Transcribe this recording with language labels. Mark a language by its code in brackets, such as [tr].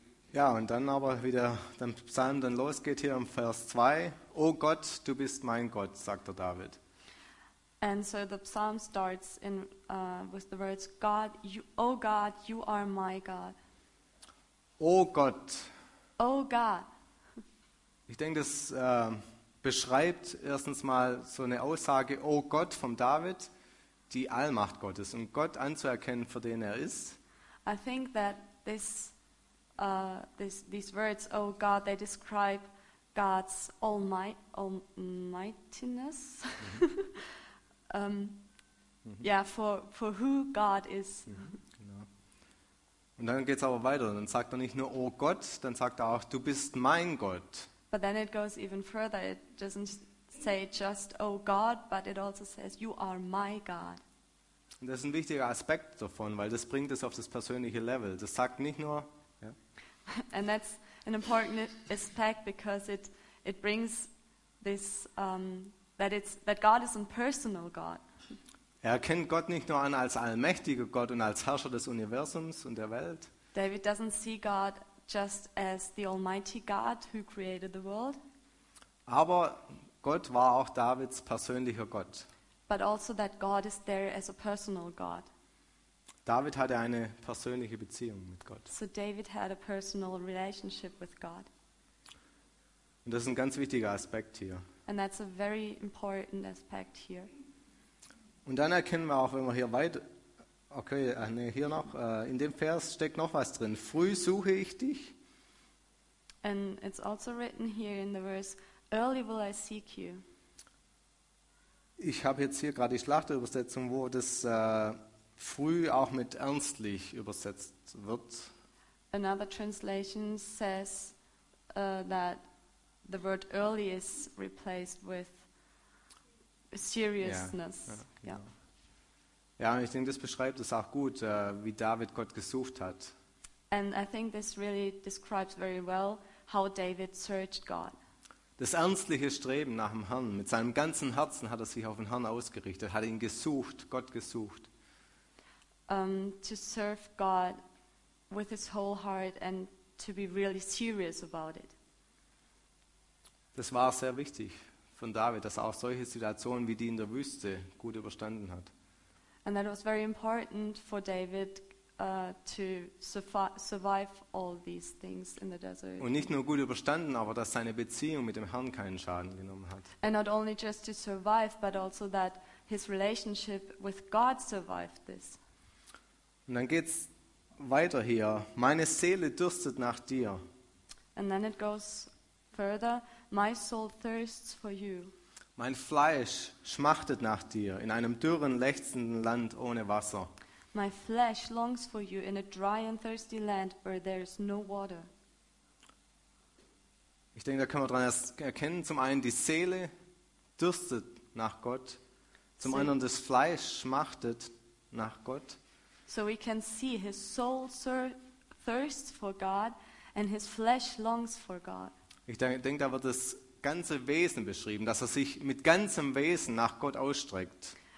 [de] Ja, und dann aber wieder, der Psalm dann losgeht hier im Vers 2. O Gott, du bist mein Gott, sagt der David. [en] And so the psalm starts in with the words, God, you, O God, you are my God. [de] O Gott. [en] O God. [de] Ich denke, das beschreibt erstens mal so eine Aussage, O Gott, von David, die Allmacht Gottes. Und Gott anzuerkennen, für den er ist. [en] I think that this... These words, oh God, they describe God's almightiness. yeah, for who God is. [de] Genau. Und dann geht's aber weiter. Dann sagt er nicht nur, oh Gott, dann sagt er auch, du bist mein Gott. [en] But then it goes even further. It doesn't say just, oh God, but it also says, you are my God. [de] Und das ist ein wichtiger Aspekt davon, weil das bringt es auf das persönliche Level. Das sagt nicht nur, [en] and that's an important aspect because it brings this that God is a personal God. [de] Er kennt Gott nicht nur an als allmächtiger Gott und als Herrscher des Universums und der Welt. [en] David doesn't see God just as the almighty God who created the world. [de] Aber Gott war auch Davids persönlicher Gott. [en] But also that God is there as a personal God. [de] David hatte eine persönliche Beziehung mit Gott. [en] So David had a personal relationship with God. [de] Und das ist ein ganz wichtiger Aspekt hier. [en] And that's a very important aspect here. [de] Und dann erkennen wir auch, wenn wir hier weit, okay, nee, hier noch, in dem Vers steckt noch was drin. Früh suche ich dich. [en] And it's also written here in the verse, early will I seek you. [de] Ich habe jetzt hier gerade die Schlachterübersetzung, wo das früh auch mit ernstlich übersetzt wird. [en] Another translation says that the word early is replaced with seriousness. [de] Ja, und ich denke, das beschreibt es auch gut, wie David Gott gesucht hat. [en] And I think this really describes very well how David searched God. [de] Das ernstliche Streben nach dem Herrn, mit seinem ganzen Herzen hat er sich auf den Herrn ausgerichtet, hat ihn gesucht, Gott gesucht. [en] To serve God with his whole heart and to be really serious about it. [de] Das war sehr wichtig von David, dass er auch solche Situationen wie die in der Wüste gut überstanden hat. [en] And that was very important for David to survive all these things in the desert. [de] Und nicht nur gut überstanden, aber dass seine Beziehung mit dem Herrn keinen Schaden genommen hat. [en] And not only just to survive, but also that his relationship with God survived this. [de] Und dann geht's weiter hier. Meine Seele dürstet nach dir. [en] And then it goes further. My soul thirsts for you. [de] Mein Fleisch schmachtet nach dir in einem dürren, lechzenden Land ohne Wasser. [en] My flesh longs for you in a dry and thirsty land where there is no water. [de] Ich denke, da können wir dran erkennen, zum einen die Seele dürstet nach Gott, zum anderen das Fleisch schmachtet nach Gott. [en] So we can see his soul thirsts for God and his flesh longs for God. [de] Ich denke, da wird das ganze Wesen beschrieben, dass er sich mit ganzem Wesen nach Gott ausstreckt.